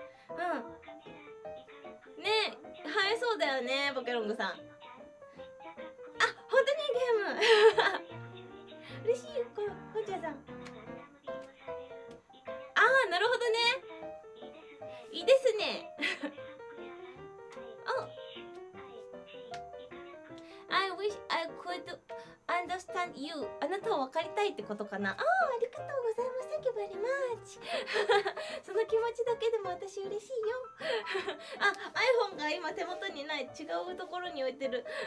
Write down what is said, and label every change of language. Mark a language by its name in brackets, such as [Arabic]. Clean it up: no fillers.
[Japanese] うん、ねえ、映えそうだよね、ボケロングさん。あ、本当にゲーム。嬉しい、こんちゃんさん。あー、なるほどね、いいですね。あ、 [English] I wish I could understand you。 [Japanese] あなたを分かりたいってことかな。あー、ありがとうございます。 [English] Thank you very much。 [Japanese] その気持ちだけでも私嬉しいよ。あ、 iPhone が今手元にない、違うところに置いてる。